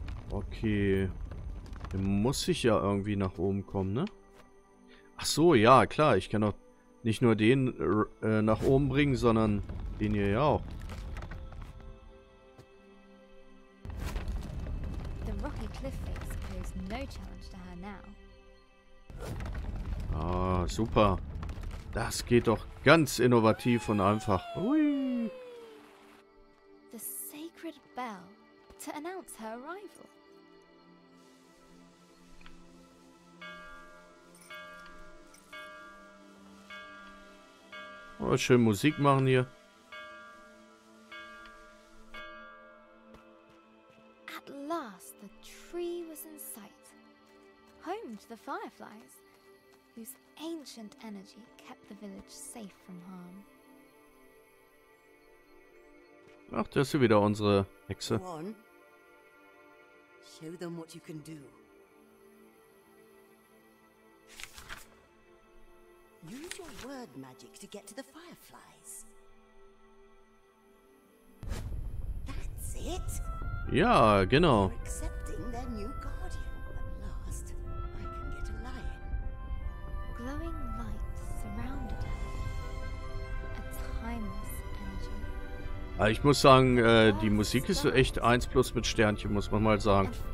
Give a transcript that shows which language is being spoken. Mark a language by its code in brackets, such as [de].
[de] Okay. Muss ich ja irgendwie nach oben kommen, ne? Ach so, ja, klar. Ich kann doch nicht nur den nach oben bringen, sondern den hier ja auch. [en] The rocky cliff face pose no challenge to her now. [de] Ah, super. Das geht doch ganz innovativ und einfach. Ui. [en] The sacred bell to announce her arrival. [de] Oh, schön Musik machen hier. [en] At last the tree was in sight. Home to the fireflies, whose ancient energy kept the village safe from harm. [de] Ach, das ist wieder unsere Hexe. [en] Show them what you can do. Use your word magic to get to the fireflies. That's it. [de] Ja, genau. [en] You're accepting their new guardian. At last, I can get a lion. Glowing lights surrounded her. A timeless energy. [de] Ich muss sagen, die Musik ist so echt 1 plus mit Sternchen, muss man mal sagen.